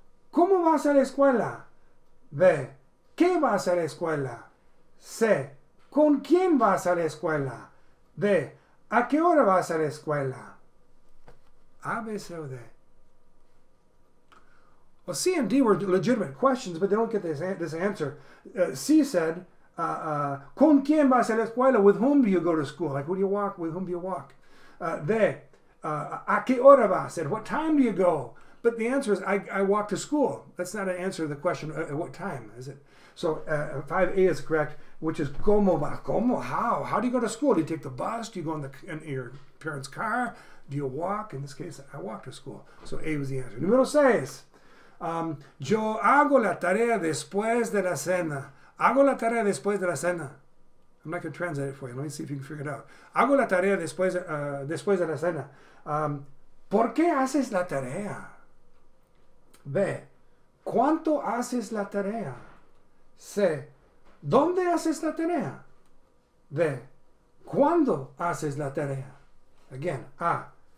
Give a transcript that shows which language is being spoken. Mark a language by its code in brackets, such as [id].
[es] ¿Cómo vas a la escuela? B. ¿Qué vas a la escuela? C. ¿Con quién vas a la escuela? D. ¿A qué hora vas a la escuela? A, B, C, o D. [en] Well, C and D were legitimate questions, but they don't get this answer. C said, [es] ¿Con quién vas a la escuela? [en] With whom do you go to school? Like, who do you walk? With whom do you walk? [es] ¿A qué hora vas? [en] At what time do you go? But the answer is, I walk to school. That's not an answer to the question, at what time, is it? So 5A is correct, which is [es] ¿cómo va? ¿Cómo? [en] How? How do you go to school? Do you take the bus? Do you go in your parents' car? Do you walk? In this case, I walk to school. So A was the answer. Número 6. [es] Yo hago la tarea después de la cena. Hago la tarea después de la cena. [en] I'm not going to translate it for you. Let me see if you can figure it out. [es] Hago la tarea después de la cena. ¿Por qué haces la tarea? B. ¿Cuánto haces la tarea? C. ¿Dónde haces la tarea? D. ¿Cuándo haces la tarea? Again. A.